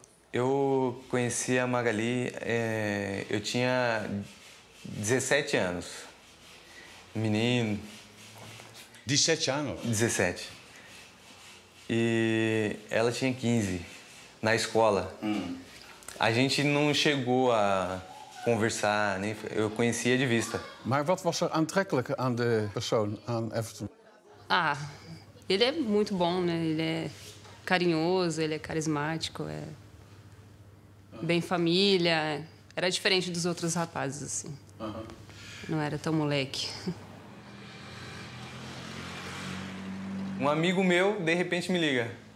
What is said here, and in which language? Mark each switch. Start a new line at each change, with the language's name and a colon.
Portuguese: Eu conheci a Magali, eu tinha 17 anos. Menino. 17 anos? 17. E ela tinha 15, na escola. A gente não chegou a conversar, né? Eu conhecia de vista.
Dutch: Mas wat was er aantrekkelijk aan de persoon, aan Everton?
Portuguese: Ah, ele é muito bom, né? Ele é carinhoso, ele é carismático, é bem família. Era diferente dos outros rapazes, assim. Não era tão moleque. Um amigo meu, de repente, me liga.